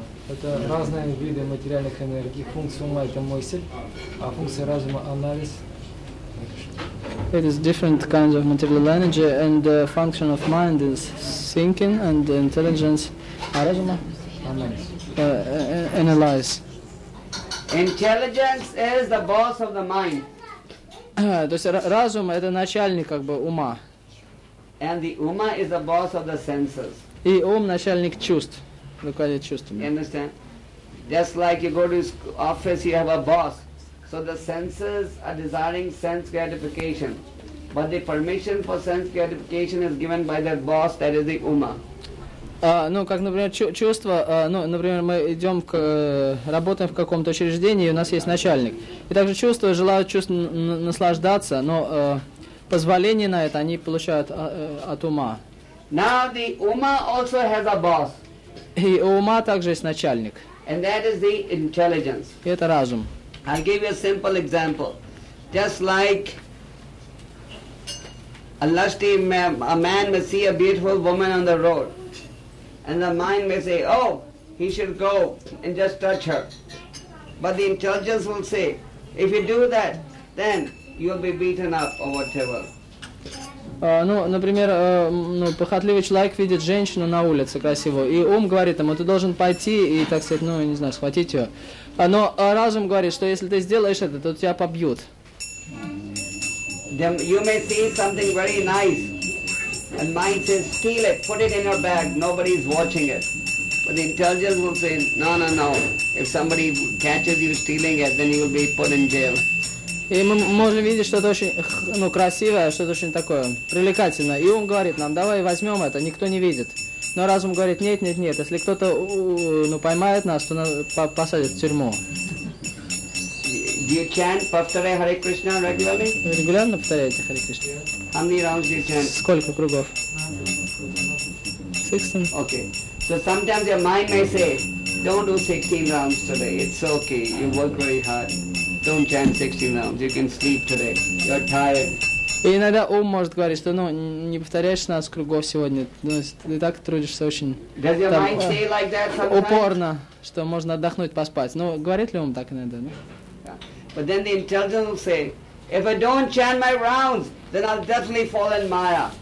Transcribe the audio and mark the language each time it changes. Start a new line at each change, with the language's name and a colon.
Russian: Это разные виды материальных энергий. Функция ума — это мысль, а функция разума — анализ.
English: It is different kinds of material energy, and the function of mind is thinking, and the intelligence —
Russian: разума? Анализ.
English: Analyze. Intelligence is the boss of the mind.
Russian: То есть разум — это начальник ума.
English: And the
Russian: ума
English: is the boss of the senses.
Russian: И ум начальник чувств, руководит чувствами.
English: You understand? Just like you go to office, you have a boss. So the senses are desiring sense gratification. But the permission for sense gratification is given by the boss, that is the Uma.
Russian: Ну, как, например, чувство, ну, например, мы идем к, работаем в каком-то учреждении, и у нас есть начальник. И также чувства желают чувств наслаждаться, но позволение на это они получают от ума.
English: Now the Uma also has a boss.
Russian: И у ума также есть начальник.
English: And that is the intelligence.
Russian: И это разум.
English: I'll give you a simple example. Just like a lusty man may see a beautiful woman on the road. And the mind may say, oh, he should go and just touch her. But the intelligence will say, if you do that, then you'll be beaten up or whatever.
Russian: Ну, например, ну, похотливый человек видит женщину на улице красивую, и ум говорит ему, ты должен пойти и, так сказать, ну, не знаю, схватить ее. Но разум говорит, что если ты сделаешь это, то тебя побьют.
English: You may see something very nice. And mind says, steal it, put it in your bag, nobody is watching it. But the intelligence will say, no, no, no. If somebody catches you stealing it, then you will be put in jail.
Russian: И мы можем видеть что-то очень, ну, красивое, что-то очень такое привлекательное. И ум говорит нам, давай возьмем это, никто не видит. Но разум говорит, нет, нет, нет. Если кто-то ну, поймает нас, то нас посадят в тюрьму.
English: Do you chant Pavtare Hare Krishna regularly?
Russian: Регулярно повторяете Hare Krishna?
English: How many rounds do you chant?
Russian: Сколько кругов? 16.
English: Okay. So sometimes your mind may say, don't do 16 rounds today. It's okay. You work very hard. Don't chant 16 rounds. You can sleep today. You're tired.
Russian: И иногда ум может говорить, что ну, не повторяй 16 кругов сегодня. Ну, ты так трудишься очень
English: does your
Russian: там,
English: mind stay like that sometimes?
Russian: Упорно, что можно отдохнуть, поспать. Ну, говорит ли ум так иногда? Ну?
English: But then the intelligence will say, if I don't chant my rounds, then I'll definitely fall in Maya.